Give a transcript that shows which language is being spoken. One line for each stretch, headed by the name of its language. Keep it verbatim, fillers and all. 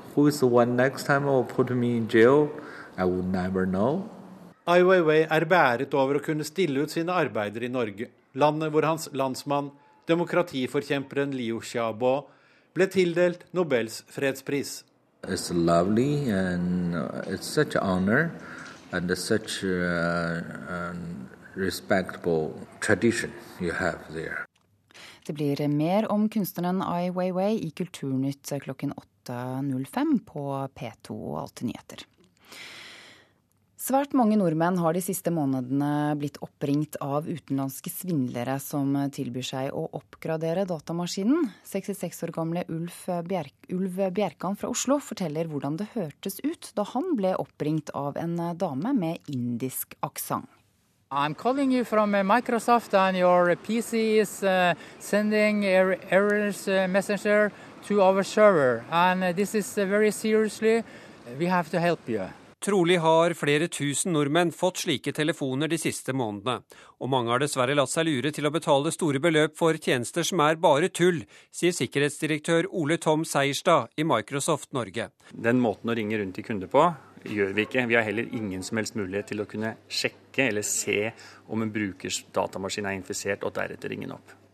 English: Who's the one next time will put me in jail? I would never know.
Norwegian: Ai Weiwei er beæret over å kunne stille ut sine arbeider i Norge, landet hvor hans landsmann, demokratiforkjemperen Liu Xiaobo, ble tildelt Nobels fredspris.
English: It's lovely and it's such an honor and such a respectable tradition you have there.
Norwegian: Det blir mer om kunstneren Ai Weiwei i Kulturnytt klokken åtte nul fem på P to og Alltid nyheter. Svært mange nordmenn har de siste månedene blitt oppringt av utenlandske svindlere som tilbyr seg å oppgradere datamaskinen. sekstiseks år gamle Ulf, Bjerk, Ulf Bjerkan fra Oslo forteller hvordan det hørtes ut da han ble oppringt av en dame med indisk aksent.
English: I'm calling you from Microsoft and your P C is uh, sending er- errors uh, messenger to our server. And this is uh, very seriously, we have to help you.
Norwegian: Trolig har flere tusen nordmenn fått slike telefoner de siste månedene, og mange har dessverre latt seg lure til å betale store beløp for tjenester som er bare tull, sier sikkerhetsdirektør Ole Tom Seierstad i Microsoft Norge. Den måten å ringe rundt til kunder på gjør vi ikke. Vi har heller ingen som helst mulighet til å kunne sjekke eller se om en brukers datamaskin er infisert, og deretter ringe den opp.